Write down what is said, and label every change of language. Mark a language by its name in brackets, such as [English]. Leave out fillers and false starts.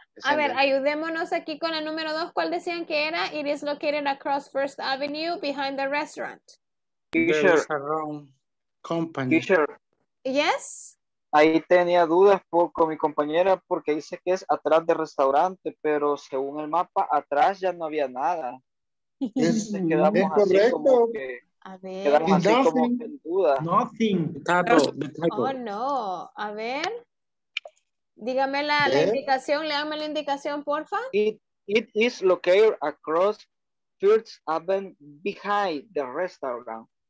[Spanish] A ver, ayudémonos aquí con la número dos. ¿Cuál decían que era? [English] It is located across First Avenue behind the restaurant. Teacher. Company. Teacher. Yes. [Spanish] Ahí tenía dudas con mi compañera porque dice que es atrás del restaurante, pero según el mapa, atrás ya no había nada. Es correcto. Como que, a ver. Quedamos así [English] nothing. [Spanish] Como en duda. [English] Nothing. [Spanish] Oh, no. A ver. Dígame la, la indicación, léame la indicación, porfa. [English] It is located across First Avenue behind the restaurant.